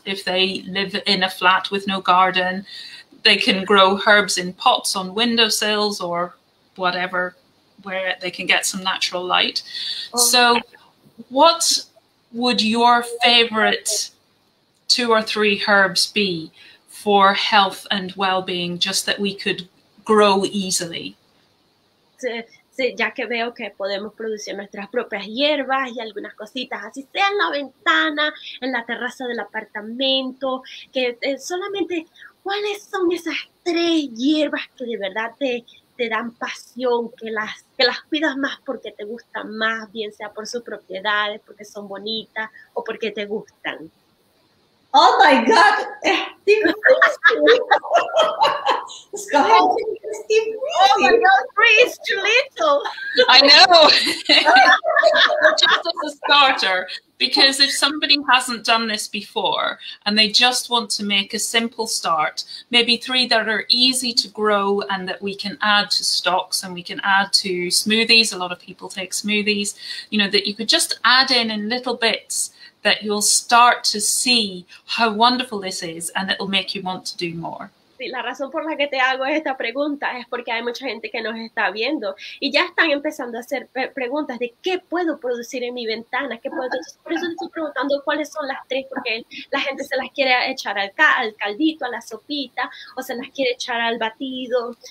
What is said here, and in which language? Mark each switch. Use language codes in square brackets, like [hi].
[en] If they live in a flat with no garden, they can grow herbs in pots on windowsills or whatever, where they can get some natural light. So what would your favorite two or three herbs be for health and well-being, just that we could grow easily? [es] Sí, ya que veo que podemos producir nuestras propias hierbas y algunas cositas, así sea en la ventana, en la terraza del apartamento, que solamente, ¿cuáles son esas tres hierbas que de verdad te dan pasión, que las cuidas más porque te gustan más, bien sea por sus propiedades, porque son bonitas o porque te gustan? [en] Oh my God, Steve, oh my God, three is too little. I know, just as a starter, because if somebody hasn't done this before and they just want to make a simple start, maybe three that are easy to grow and that we can add to stocks and we can add to smoothies. A lot of people take smoothies, you know, that you could just add in little bits that you'll start to see how wonderful this is and it will make you want to do more. [es] Sí, la razón por la que te hago esta pregunta es porque hay mucha gente que nos está viendo y ya están empezando a hacer preguntas de qué puedo producir en mi ventana, qué puedo. Entonces, por eso te estoy preguntando cuáles son las tres, porque la gente se las quiere echar al caldito, a la sopita, o se las quiere echar al batido.